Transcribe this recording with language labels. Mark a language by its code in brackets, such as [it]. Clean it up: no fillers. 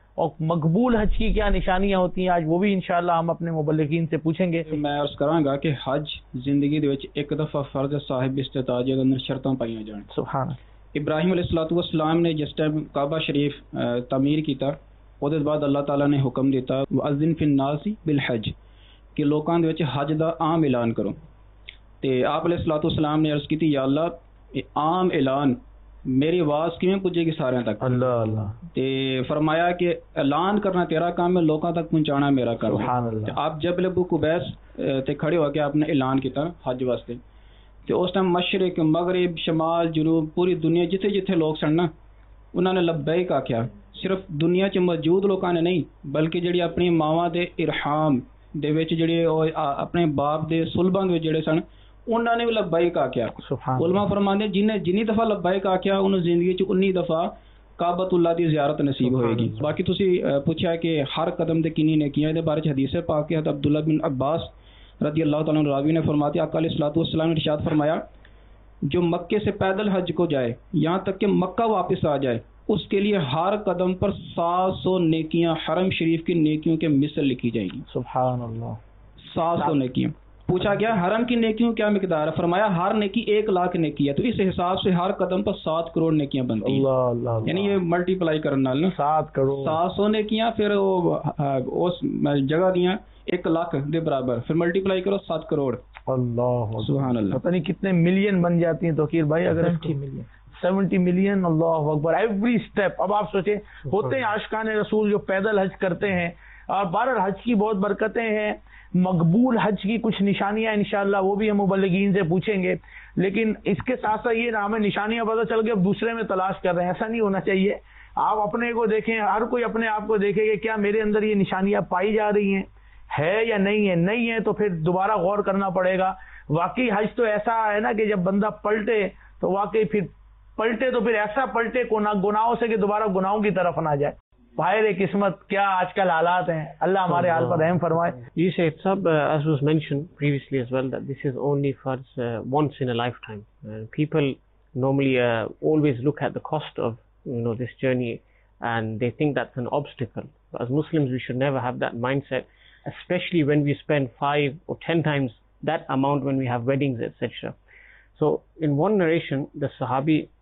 [ur] اور مقبول حج کی کیا نشانیاں ہوتی ہیں آج وہ بھی انشاءاللہ ہم اپنے مبلغین سے پوچھیں گے [pa] میں عرض کراں گا کہ حج زندگی دے وچ ایک دفعہ فرض صاحب استطاعت دے اندر شرطاں پائیاں جان [ur] سبحان [pa] ابراہیم علیہ الصلوۃ والسلام نے جس ٹائم کعبہ شریف تعمیر کیتا اس دے بعد اللہ تعالی نے حکم دیتا [ar] واذن فی الناس بالحج [pa] کہ لوکاں دے وچ حج دا عام اعلان کرو تے آپ علیہ الصلوۃ والسلام نے عرض کیتی یا اللہ عام اعلان میری آواز کیویں پہنچے گی سارے تک [ur] اللہ اللہ [pa] تے فرمایا کہ اعلان کرنا تیرا کام ہے لوکاں تک پہنچانا میرا کام [ur] سبحان اللہ [pa] آپ جب لبو قبیس تے کھڑے ہو کے آپ نے اعلان کیتا حج واسطے تے اس ٹائم مشرق مغرب شمال جنوب پوری دنیا جتھے جتھے لوگ سن نا انہوں نے لبیک آکھیا صرف دنیا چ موجود لوکاں نے نہیں بلکہ جڑی اپنی ماواں دے ارحام دے وچ جڑے اپنے باپ دے سلباں دے وچ جڑے سن انہوں نے بھی لبائک آکھیا [ur] سبحان [pa] اللہ علماء فرماندے ہیں جنہیں جنی دفعہ لبائک آکھیا انہوں زندگی چ 19 دفعہ کعبۃ اللہ دی زیارت نصیب ہوئے گی باقی تسی پوچھا کہ ہر قدم دے کنی نے کیا اس دے بارے چ حدیث پاک ہے عبداللہ بن عباس رضی اللہ تعالی عنہ راوی نے فرماتے آقا علیہ الصلوۃ والسلام نے ارشاد فرمایا [ur] جو مکے سے پیدل حج کو جائے یہاں تک کہ مکہ واپس آ جائے اس کے لیے ہر قدم پر 700 نیکیاں حرم شریف کی نیکیوں کے مثل لکھی جائیں گی سبحان اللہ 700 نیکیاں پوچھا گیا حرم کی نیکیوں کیا مقدار ہے فرمایا ہر نیکی 100,000 نیکی ہے تو اس حساب سے ہر قدم پر 7 crore نیکیاں بنتی اللہ اللہ یعنی یہ ملٹی پلائی کرنے والا 7 crore 700 نیکیاں پھر اس جگہ دیا 100,000 دے برابر پھر ملٹی پلائی کرو 7 crore اللہ سبحان اللہ پتہ نہیں کتنے ملین بن جاتی ہیں توقیر بھائی اگر 70 million اللہ اکبر [en] every step [ur] اب آپ سوچیں ہوتے ہیں عاشقان رسول جو پیدل حج کرتے ہیں اور بہرحال حج کی بہت برکتیں ہیں مقبول حج کی کچھ نشانیاں انشاءاللہ وہ بھی ہم مبلغین سے پوچھیں گے لیکن اس کے ساتھ ساتھ یہ نام ہے نشانیاں پتہ چل گئے اب دوسرے میں تلاش کر رہے ہیں ایسا نہیں ہونا چاہیے آپ اپنے کو دیکھیں ہر کوئی اپنے آپ کو دیکھے کہ کیا میرے اندر یہ نشانیاں پائی جا رہی ہیں ہے یا نہیں ہے نہیں ہے تو پھر دوبارہ غور کرنا پڑے گا واقعی حج تو ایسا ہے نا کہ جب بندہ پلٹے تو واقعی پھر پلٹے تو پھر ایسا پلٹے کو گناہوں سے کہ دوبارہ گناہوں کی طرف نہ جائے بھائی قسمت کیا آج کل حالات ہیں اللہ ہمارے حال پر رحم فرمائے جی سید صاحب [en] as was mentioned previously as well that this is only for once in a lifetime people normally always look at the cost of you know this journey and they think that's an obstacle but as Muslims we should never have that mindset especially when we spend 5 or 10 times that amount when we have weddings etc so in one narration the sahabi